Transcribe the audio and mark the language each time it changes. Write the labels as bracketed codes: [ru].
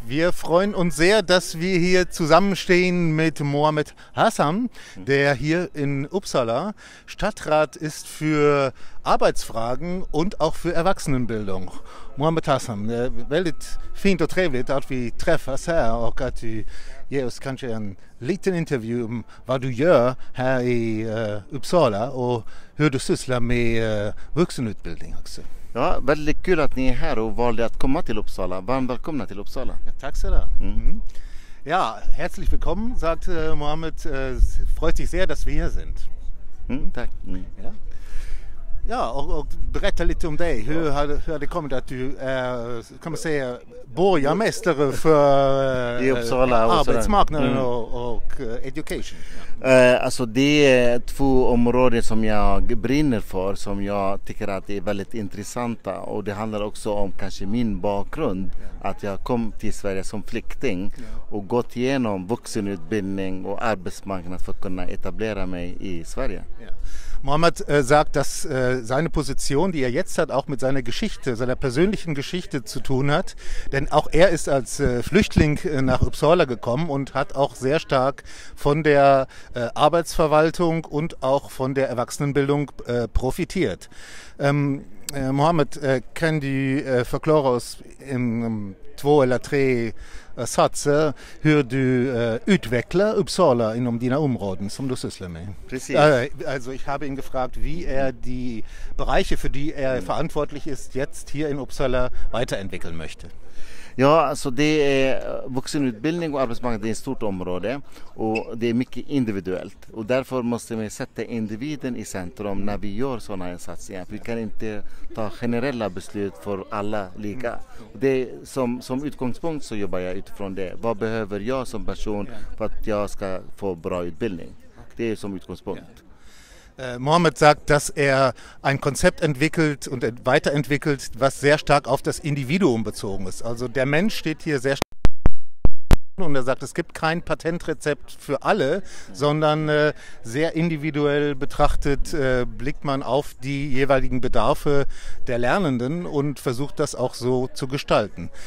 [de] Wir freuen uns sehr, dass wir hier zusammenstehen mit Mohamed Hassan, der hier in Uppsala Stadtrat ist für Arbeitsfragen und auch für Erwachsenenbildung. [sv] Mohamed Hassan, väldigt fint och trevligt att vi träffas här och att du ger oss kanske en liten interview om vad du gör här i Uppsala och hur du sysslar med vuxenutbildning också. Ja, väldigt kul att ni är här och valde att komma till Uppsala. Varmt välkomna till Uppsala. Ja, tack så mycket. [de] Ja, herzlich willkommen, sagt Mohamed. Freut sich sehr, dass wir hier sind. [sv] Tack. Ja, ja och berätta lite om dig. Hur det kommit att du kan man säga borgarmästare för i Uppsala och arbetsmarknaden och education? Ja. Alltså det är två områden som jag brinner för, som jag tycker att är väldigt intressanta, och det handlar också om kanske min bakgrund, att jag kom till Sverige som flykting och gått igenom vuxenutbildning och arbetsmarknad för att kunna etablera mig i Sverige. [de] Mohamed sagt, dass seine Position, die er jetzt hat, auch mit seiner Geschichte, seiner persönlichen Geschichte zu tun hat. Denn auch er ist als Flüchtling nach Uppsala gekommen und hat auch sehr stark von der Arbeitsverwaltung und auch von der Erwachsenenbildung profitiert. [sv] Mohamed, [de] kann die verklare aus in zwei oder drei Satze, [sv] hur du utvecklar Uppsala inom dina områden som du sysslar med? Precis. [de] Also ich habe ihn gefragt, wie er die Bereiche, für die er verantwortlich ist, jetzt hier in Uppsala weiterentwickeln möchte. [sv] Ja, alltså det är vuxenutbildning och arbetsmarknad, det är ett stort område och det är mycket individuellt. Och därför måste vi sätta individen i centrum när vi gör sådana insatser. Vi kan inte ta generella beslut för alla lika. Och det är som utgångspunkt så jobbar jag utifrån det. Vad behöver jag som person för att jag ska få bra utbildning? Det är som utgångspunkt. [de] Mohamed sagt, dass er ein Konzept entwickelt und weiterentwickelt, was sehr stark auf das Individuum bezogen ist. Also der Mensch steht hier sehr stark und er sagt, es gibt kein Patentrezept für alle, sondern sehr individuell betrachtet blickt man auf die jeweiligen Bedarfe der Lernenden und versucht das auch so zu gestalten.